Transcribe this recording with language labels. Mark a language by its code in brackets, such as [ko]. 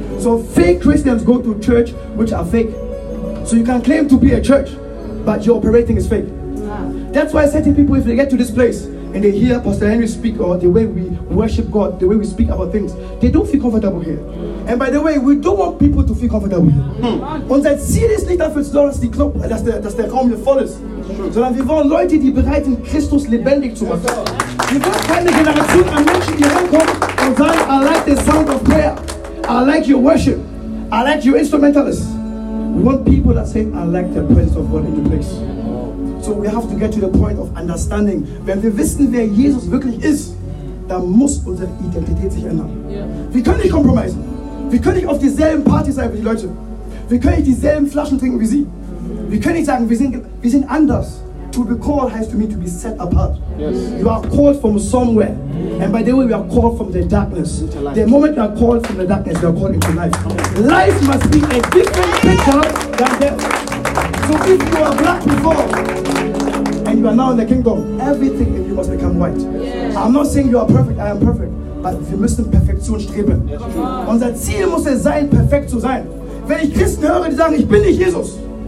[en] So fake Christians go to church which are fake. So you can claim to be a church, but your operating is fake. That's why certain people, if they get to this place and they hear Pastor Henry speak, or the way we worship God, the way we speak about things, they don't feel comfortable here. And by the way, we don't want people to feel comfortable here. [de] Unser Ziel nicht dafür zu sorgen, dass der Raum hier voll ist, sondern wir wollen Leute, die bereit sind, Christus lebendig zu machen. Wir wollen keine Generation an Menschen, die reinkommen und sagen, [en] I like the sound of prayer, I like your worship, I like your instrumentalists. We want people that say, I like the presence of God in the place. So we have to get to the point of understanding. [de] Wenn wir wissen, wer Jesus wirklich ist, dann muss unsere Identität sich ändern. [en] Yeah. [de] Wir können nicht kompromissen. Wir können nicht auf dieselben Partys sein wie die Leute. Wir können nicht dieselben Flaschen trinken wie sie. Wir können nicht sagen, wir sind anders. [en] To be called [de] heißt für mich [en] to be set apart. Yes. You are called from somewhere. And by the way, we are called from the darkness. The moment you are called from the darkness, you are called into life. Life must be a different picture than death. So if you are black before and you are now in the kingdom, everything in you must become white. Yes. I'm not saying you are perfect, I am perfect. But [de] wir müssen Perfektion streben. [en] Yes. [de] Unser Ziel muss es sein, perfekt zu sein. Wenn ich Christen höre, die sagen, ich bin nicht Jesus.